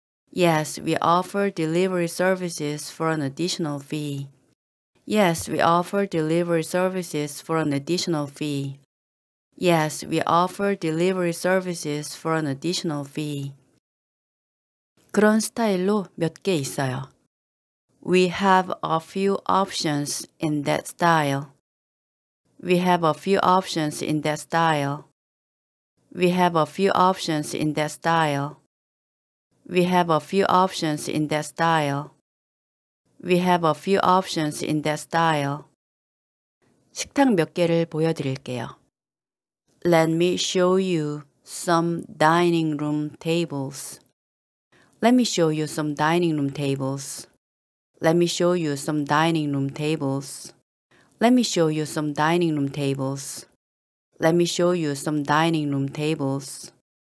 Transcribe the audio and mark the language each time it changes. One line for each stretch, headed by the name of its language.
English: Yes, we offer delivery services for an additional fee. Yes, we offer delivery services for an additional fee. Yes, we offer delivery services for an additional fee.
Korean: 그런 스타일로 몇 개 있어요.
English: We have a few options in that style. We have a few options in that style. We have a few options in that style. We have a few options in that style. We have a few options in that style.
Korean: 식당 몇 개를 보여드릴게요.
English: Let me show you some dining room tables. Let me show you some dining room tables. Let me show you some dining room tables. Let me show you some dining room tables. Let me show you some dining room tables.